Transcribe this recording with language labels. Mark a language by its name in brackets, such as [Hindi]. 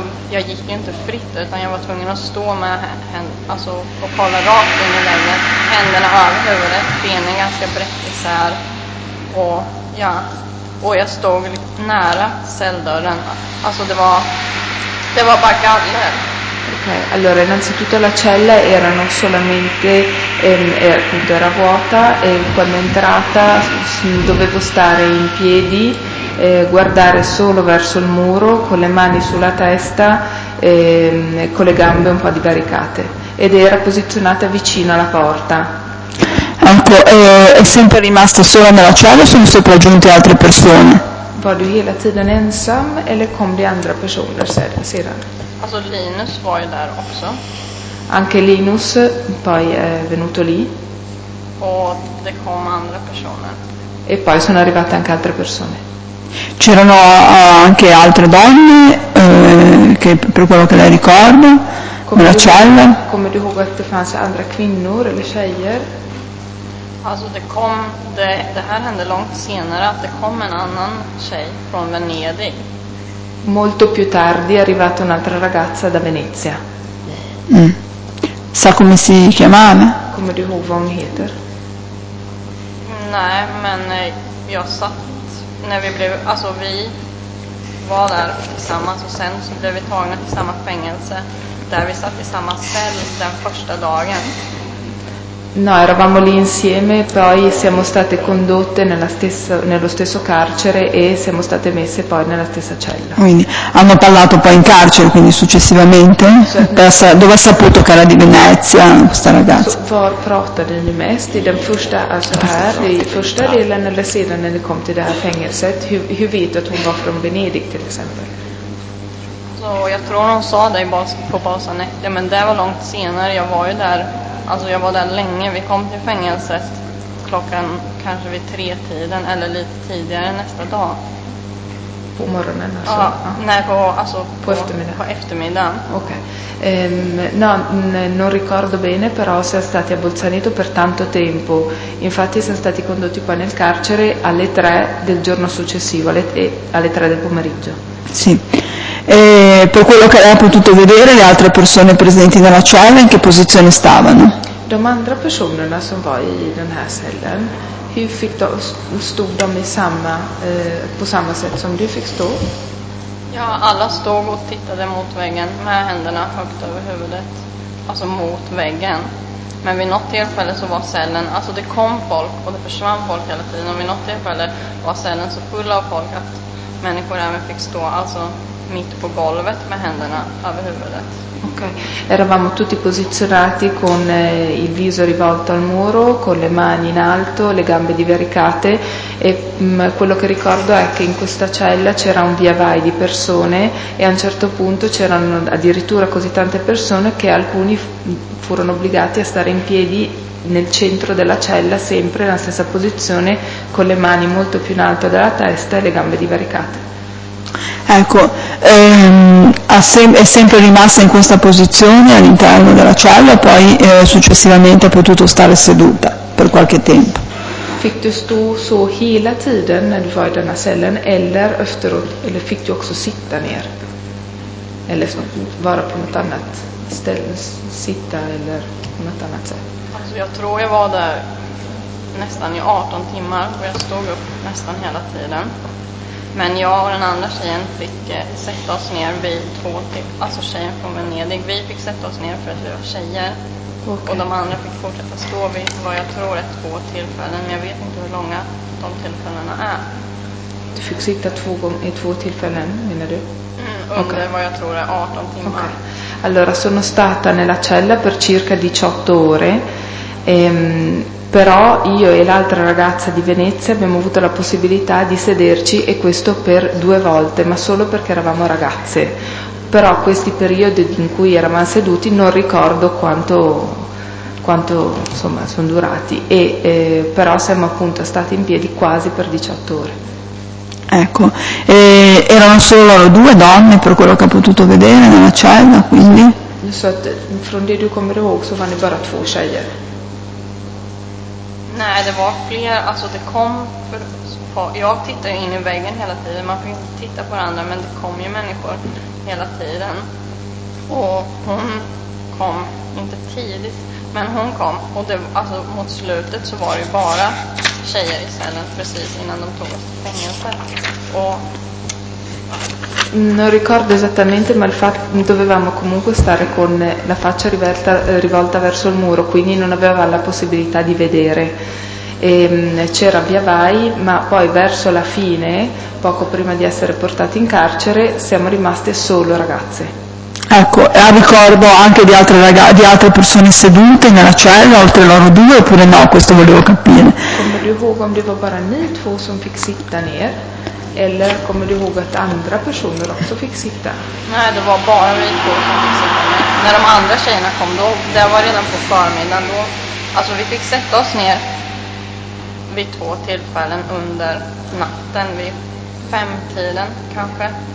[Swedish] Jag gick ju inte fritt utan jag var tvungen att stå med och kolla rakt in i väggen, händerna över huvudet, benen ganska brett isär och jag stod nära celldörren. Alltså det var bara galler. Okay. [Italian] Allora, innanzitutto la cella era non solamente, appunto era vuota e quando è entrata dovevo stare in piedi, guardare solo verso il muro con le mani sulla testa e con le gambe un po' divaricate ed era posizionata vicino alla porta. è sempre rimasta sola nella cella o sono sopraggiunte altre persone? [Swedish] Var du hela tiden ensam eller kom det andra personer sedan? Alltså Linus var ju där också. [Italian] Anche Linus poi è venuto lì. [Swedish] Och det kom andra personer. [Italian] E poi sono arrivate anche altre persone. C'erano anche altre donne che per quello che lei ricorda nella cella. [Swedish] Come du ihåg att det fanns andra kvinnor eller tjejer? Alltså det kom det här hände långt senare att det kom en annan tjej från Venedig. [Italian] Molto più tardi è arrivata un'altra ragazza da Venezia. Mm. Sa come si chiamava? [Swedish] Come du ihåg vad hon heter? Nej, men jag satt när vi blev, alltså vi var där tillsammans och sen så blev vi tagna till samma fängelse där vi satt i samma cell den första dagen. [Italian] No, eravamo lì insieme, poi siamo state condotte nello stesso carcere e siamo state messe poi nella stessa cella. Quindi hanno parlato poi in carcere, quindi successivamente? Certo. Dove ha saputo che era di Venezia questa ragazza? [Swedish] Var pratade ni mest i den första, alltså här, i första delen eller sedan när ni kom till det här fängelset? Hur vet du att hon var från Venedig till exempel? Så jag tror hon sa det på basen, men det var långt senare, jag var ju där. Alltså jag var där länge, vi kom till fängelset klockan kanske vid 3-tiden eller lite tidigare nästa dag. På morgonen alltså? Ja, nej, på eftermiddagen. På eftermiddagen. Okej. [Italian] No, non ricordo bene, però siamo stati a Bolzaneto per tanto tempo. Infatti siamo stati condotti qua nel carcere alle 3 del giorno successivo, alle 3 del pomeriggio. Sì. E per quello che lei ha potuto vedere, le altre persone presenti nella cella in che posizione stavano? [Swedish] De andra personerna som var i den här cellen, hur fick de, stod de i samma, på samma sätt som du fick stå? Ja, alla stod och tittade mot väggen med händerna högt över huvudet, alltså mot väggen. Men vid något tillfälle så var cellen, alltså det kom folk och det försvann folk hela tiden, och vid något tillfälle var cellen så full av folk att människor även fick stå, alltså mitt på golvet med händerna över huvudet. Okay. [Italian] Eravamo tutti posizionati con il viso rivolto al muro, con le mani in alto, le gambe divaricate, e quello che ricordo è che in questa cella c'era un via vai di persone e a un certo punto c'erano addirittura così tante persone che alcuni furono obbligati a stare in piedi nel centro della cella, sempre nella stessa posizione, con le mani molto più in alto della testa e le gambe divaricate. Ecco, è sempre rimasta in questa posizione all'interno della cella, poi successivamente ha potuto stare seduta per qualche tempo. [Swedish] Fick du stå så hela tiden när du var i denna cellen eller efteråt, eller fick du också sitta ner? Eller vara på något annat ställe, sitta eller på något annat sätt? Alltså jag tror jag var där nästan i 18 timmar och jag stod upp nästan hela tiden. Men jag och den andra tjejen fick sätta oss ner, vi två, alltså tjejen från Venedig, vi fick sätta oss ner för att vi var tjejer. Okay. Och de andra fick fortsätta stå vid vad jag tror är 2 tillfällen, men jag vet inte hur långa de tillfällena är. Du fick sitta 2 gånger i 2 tillfällen, menar du? Mm, under okay. Vad jag tror är 18 timmar. Okay. [Italian] Allora, sono stata nella cella per circa 18 ore. Però io e l'altra ragazza di Venezia abbiamo avuto la possibilità di sederci, e questo per 2 volte, ma solo perché eravamo ragazze. Però questi periodi in cui eravamo seduti non ricordo quanto insomma sono durati, e però siamo appunto stati in piedi quasi per 18 ore. Ecco, erano solo 2 donne per quello che ho potuto vedere nella cella, quindi? Non so, from the due come rivolgo, so vanno bara 2 tjejer. [Swedish] Nej, det var fler, alltså det kom, jag tittade in i väggen hela tiden, man fick inte titta på varandra, men det kom ju människor hela tiden. Och hon kom, inte tidigt, men hon kom, och det, alltså mot slutet så var det ju bara tjejer i cellen precis innan de tog oss till fängelse. Och [Italian] non ricordo esattamente, ma dovevamo comunque stare con la faccia rivolta verso il muro, quindi non aveva la possibilità di vedere. E c'era via vai, ma poi verso la fine, poco prima di essere portati in carcere, siamo rimaste solo ragazze. Ecco, e a ricordo anche di altre ragazze, di altre persone sedute nella cella, oltre loro due, oppure no, questo volevo capire. [Swedish] Kommer du ihåg om det var bara ni två som fick sitta ner? Eller kommer du ihåg att andra personer också fick sitta? Nej, det var bara vi två som fick sitta ner. När de andra tjejerna kom, då, det var redan på förmiddagen. Då, alltså vi fick sätta oss ner vid två tillfällen under natten, vid femtiden kanske.